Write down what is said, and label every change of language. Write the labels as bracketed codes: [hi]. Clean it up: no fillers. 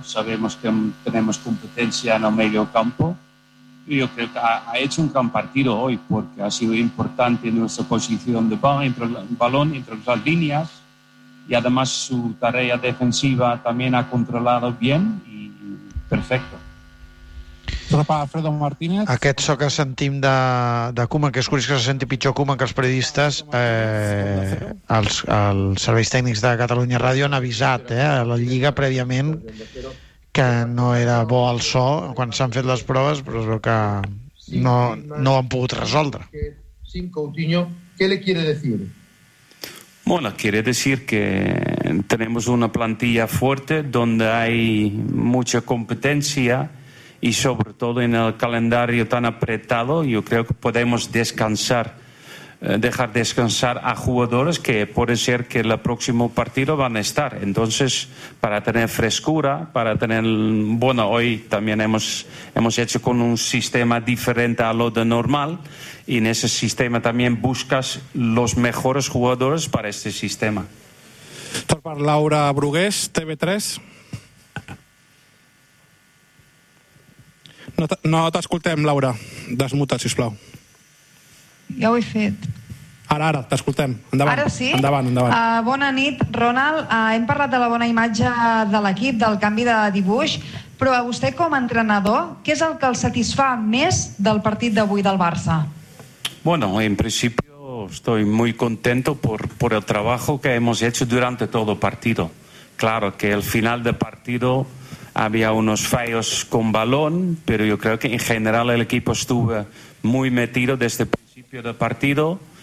[es] Sabemos que tenemos competencia en el medio campo. Y yo creo que ha hecho un gran partido hoy porque ha sido importante nuestra posición de balón entre las líneas. Y además su tarea defensiva también ha controlado bien y perfecto. Alfredo Martínez. [ca] Aquest so que sentim de Koeman, que és curiós que se senti pitjor Koeman que els periodistes, els serveis tècnics de Catalunya Ràdio han avisat a la Lliga prèviament que no era bo el so quan s'han fet les proves, però es veu que no ho han pogut resoldre. [es] Sin Coutinho, ¿qué le quiere decir? Bueno, quiere decir que tenemos una plantilla fuerte donde hay mucha competencia y sobre todo en el calendario tan apretado, yo creo que podemos dejar descansar a jugadores que puede ser que el próximo partido van a estar. Entonces, para tener frescura, para tener... Bueno, hoy también hemos hecho con un sistema diferente a lo de normal, y en ese sistema también buscas los mejores jugadores para este sistema. Por Laura Brugués, TV3. [ca] No t'escoltem, Laura. Desmuta, sisplau. Ja ho he fet. Ara, t'escoltem. Endavant. Ara sí? Endavant. Bona nit, Ronald. Hem parlat de la bona imatge de l'equip, del canvi de dibuix, però a vostè com a entrenador, què és el que el satisfà més del partit d'avui del Barça? [es] Bueno, en principio estoy muy contento por el trabajo que hemos hecho durante todo el partido. Claro que el final del partido... Había unos fallos con balón, pero yo creo que en general el equipo estuvo muy metido desde el principio del partido.